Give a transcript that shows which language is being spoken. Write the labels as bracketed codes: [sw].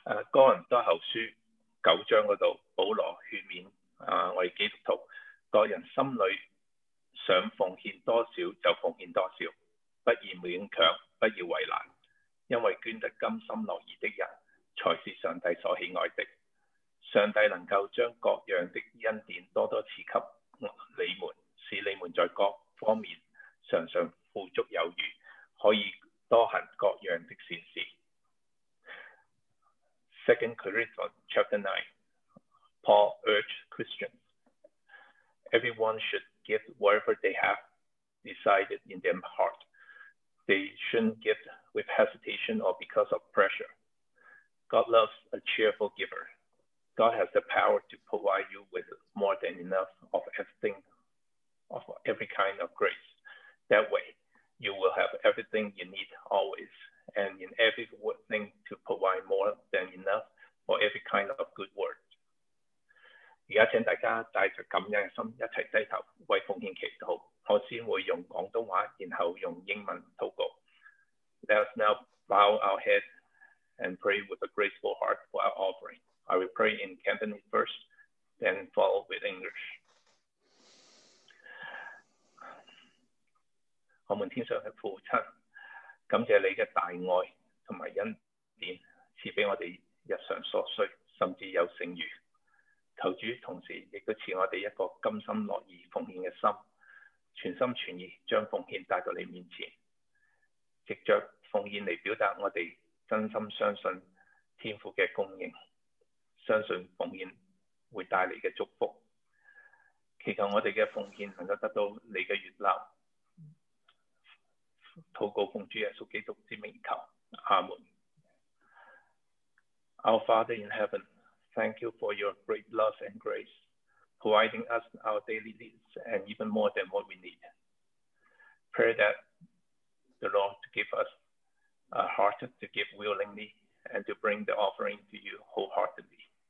[yue] 哥林多後書九章嗰度，保羅勸勉我哋基督徒，個人心裏想奉獻多少就奉獻多少，不要勉強，不要為難，因為捐得甘心樂意的人才是上帝所喜愛的。上帝能够将各样的恩典多多赐给你们，使你们在各方面常常富足有余，可以多行各样的善事。 [en] 2 Corinthians chapter 9 Paul urged Christians, everyone should give whatever they have decided in their heart. They shouldn't give with hesitation or because of pressure. God loves a cheerful giver. God has the power to provide you with more than enough of everything, of every kind of grace. That way, you will have everything you need always, and in everything to provide more than enough for every kind of good work. [yue] 現在請大家帶著感恩的心一起低頭為奉獻祈禱。我先會用廣東話，然後用英文禱告。 [en] Let us now bow our heads and pray with a grateful heart for our offering. I will pray in Cantonese first, then follow with English. [yue] 我們天上的父親，感謝你的大愛和恩典，賜給我們日常所需，甚至有剩餘。求主同時亦都賜我哋一個甘心樂意奉獻嘅心，全心全意將奉獻帶到你面前，藉著奉獻嚟表達我哋真心相信天父嘅供應，相信奉獻會帶嚟嘅祝福。祈求我哋嘅奉獻能夠得到你嘅悦納。禱告奉主耶穌基督之名求，阿門。 [en] Our Father in heaven. Thank you for your great love and grace, providing us our daily needs and even more than what we need. Pray that the Lord give us a heart to give willingly and to bring the offering to you wholeheartedly.